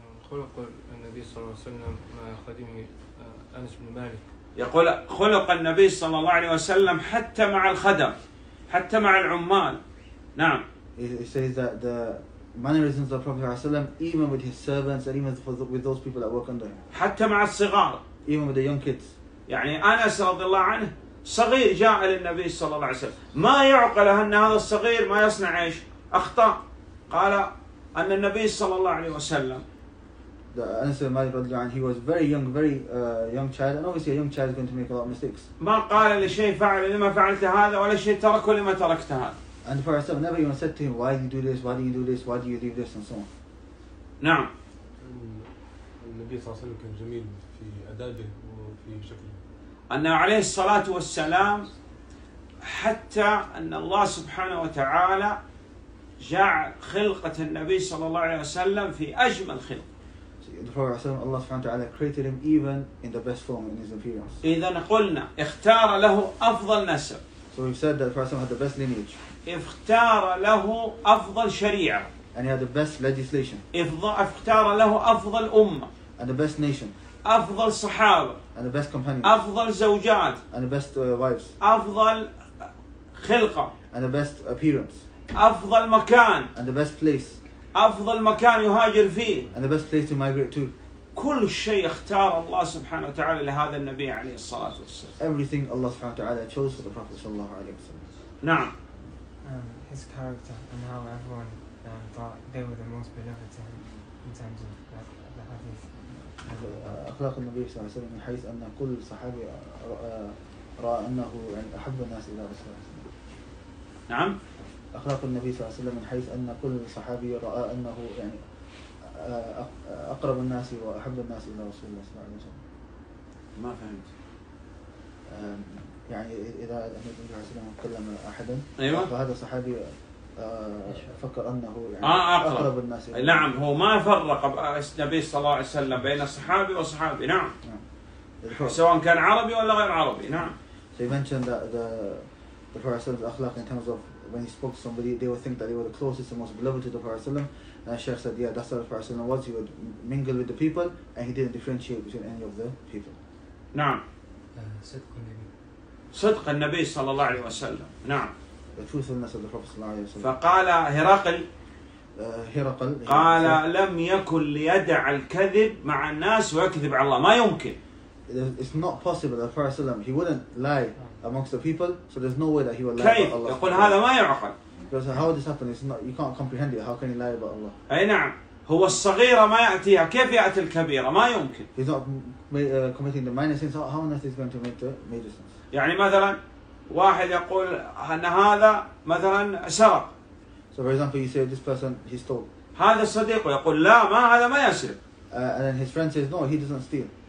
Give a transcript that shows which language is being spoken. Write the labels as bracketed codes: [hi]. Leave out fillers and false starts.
[ar] خلق النبي صلى الله عليه وسلم مع خادمه أنس بن مالك؟ يقول خلق النبي صلى الله عليه وسلم حتى مع الخدم، حتى مع العمال. نعم. [en] He says that the mannerisms of Prophet ﷺ, even with his servants and even with those people that work under him. [ar] حتى مع الصغار. [en] Even with the young kids. [ar] يعني أنس رضي الله عنه صغير جاء للنبي صلى الله عليه وسلم. ما يعقل أن هذا الصغير ما يصنع إيش؟ أخطأ. قال أن النبي صلى الله عليه وسلم. [en] The Anas bin Malik رضي الله عنه, he was very young, very young child, and obviously a young child is going to make a lot of mistakes. [ar] ما قال لشيء فعل لما فعلت هذا ولا شيء تركه لما تركت هذا. [en] And for ourselves, never even said to him, why do you do this? Why do you do this? Why do you leave this? And so on. [ar] نعم. النبي صلى الله عليه وسلم كان جميل في أدابه وفي شكله. أن عليه الصلاة والسلام حتى أن الله سبحانه وتعالى جعل خلقة النبي صلى الله عليه وسلم في أجمل خلق. [en] The Prophet صلى الله عليه وسلم created him even in the best form in his appearance. [ar] إذا قلنا اختار له أفضل نسب. [en] So we said that the Prophet had the best lineage. [ar] اختار له أفضل شريعة. [en] And he had the best legislation. [ar] اختار له أفضل أمة. [en] And the best nation. [ar] أفضل صحابة. [en] And the best companions. [ar] أفضل زوجات. [en] And the best wives. [ar] أفضل خلقة. [en] And the best appearance. [ar] أفضل مكان. [en] And the best place. [ar] أفضل مكان يهاجر فيه. [en] And the best place to migrate to. [ar] كل شيء اختار الله سبحانه وتعالى لهذا النبي عليه الصلاة والسلام. [en] Everything Allah سبحانه وتعالى chose for the Prophet صلى الله عليه وسلم. [ar] نعم. [en] His character and how everyone thought they were the most beloved to him in terms of the hadith. [ar] أخلاق النبي صلى الله عليه وسلم من حيث أن كل صحابي رأى أنه أحب الناس إلى رسول الله. نعم. أخلاق النبي صلى الله عليه وسلم من حيث أن كل صحابي رأى أنه يعني أقرب الناس وأحب الناس إلى رسول الله صلى الله عليه وسلم. ما فهمت. يعني إذا النبي صلى الله عليه وسلم تكلم أحدا أيوة. فهذا صحابي فكر أنه يعني أقرب الناس. نعم هو ما فرق النبي صلى الله عليه وسلم بين الصحابي وصحابي. نعم. سواء كان عربي ولا غير عربي. نعم. [en] So you mentioned that the Prophet صلى الله عليه وسلم in terms of when he spoke to somebody, they would think that they were the closest and most beloved to the Prophet. And the Sheikh said, yeah, that's how the Prophet was. He would mingle with the people and he didn't differentiate between any of the people. [ar] نعم. صدق النبي صلى الله عليه وسلم. نعم. [en] The truthfulness of the Prophet صلى الله عليه وسلم. [ar] فقال هرقل. هرقل. قال لم يكن ليدع الكذب مع الناس ويكذب على الله. ما يمكن. [en] It's not possible that the Prophet ﷺ, he wouldn't lie amongst the people, so there's no way that he would lie [ar] كيف? [en] About Allah. [ar] يقول هذا ما يعقل. [en] Because how this happened, it's not, you can't comprehend it. How can he lie about Allah? [ar] أي نعم. هو الصغيرة ما يأتيها. كيف يأتي الكبيرة? ما يمكن. [en] He's not committing the minor sins. How on earth is he going to make the major sins? [ar] يعني مثلا واحد يقول أن هذا مثلا سرق. [en] So for example, you say this person, he stole. [ar] هذا صديقه يقول لا ما هذا ما يسرق. [en] And then his friend says, no, he doesn't steal.